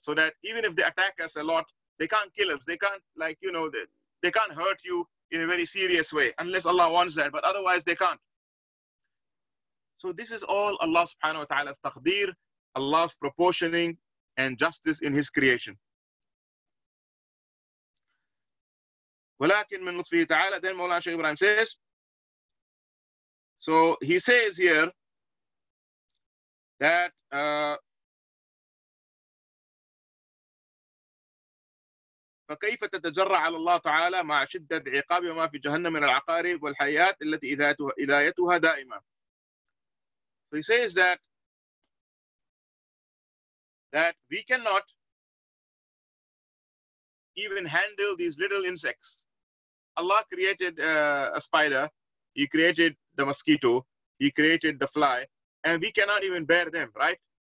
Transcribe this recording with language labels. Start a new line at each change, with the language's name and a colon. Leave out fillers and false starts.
English: So that even if they attack us a lot, they can't kill us. They can't they can't hurt you in a very serious way, unless Allah wants that, but otherwise they can't. So this is all Allah subhanahu wa ta'ala's taqdeer, Allah's proportioning and justice in his creation.
Arabic: وَلَكِنْ مِنْ لُطْفِهِ تَعَالَى.
English: Then Mawlana Shaykh Ibrahim says, so he says here that
Arabic: فَكَيْفَ تَتَجَرَّعَ عَلَى اللَّهُ تَعَالَى مَعَ شِدَّةِ عِقَابِ وَمَا فِي جَهَنَّمِ مِنَ الْعَقَارِبِ وَالْحَيَاتِ الَّتِي إِذَايَتُهَا دَائِمًا.
English: So he says that we cannot even handle these little insects. Allah created a spider, he created the mosquito, he created the fly, and we cannot even bear them, right?